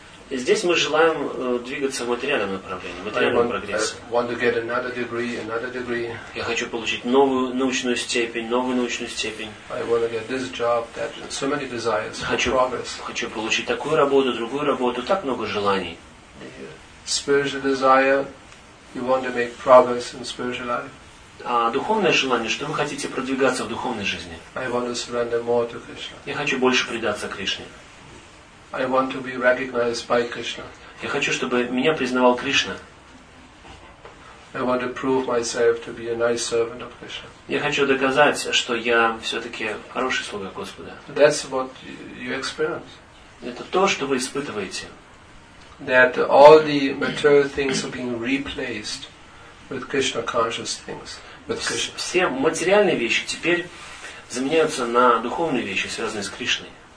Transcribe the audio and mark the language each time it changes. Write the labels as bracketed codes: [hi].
[ru] И здесь мы желаем двигаться в материальном направлении, материальном прогрессе. Я хочу получить новую научную степень, Хочу получить такую работу, другую работу, так много желаний. [en] Spiritual desire, you want to make progress in spiritual life. [ru] А духовное желание, что вы хотите продвигаться в духовной жизни? [en] I want to surrender more to Krishna. [ru] Я хочу больше предаться Кришне. [en] I want to be recognized by Krishna. [ru] Я хочу, чтобы меня признавал Кришна. [en] I want to prove myself to be a nice servant of Krishna. [ru] Я хочу доказать, что я все-таки хороший слуга Господа. [en] That's what you experience. [ru] Это то, что вы испытываете. [en] That all the material things are being replaced with Krishna conscious things. With Krishna. [ru] Все материальные вещи теперь заменяются на духовные вещи, связанные с Кришной.